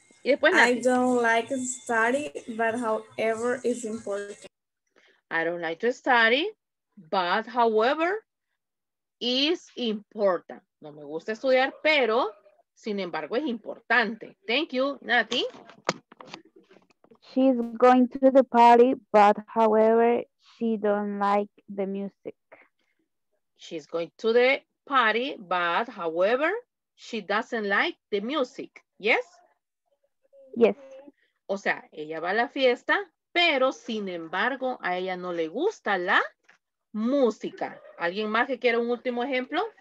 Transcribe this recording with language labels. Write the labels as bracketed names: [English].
[English] I don't like study, but however, it's important. I don't like to study, but however, is important. [Spanish] No me gusta estudiar, pero sin embargo es importante. [English] Thank you, Nati. She's going to the party, but however, she don't like the music. She's going to the party, but however, she doesn't like the music. Yes? Yes. [Spanish] O sea, ella va a la fiesta, pero sin embargo, a ella no le gusta la música. ¿Alguien más que quiera un último ejemplo?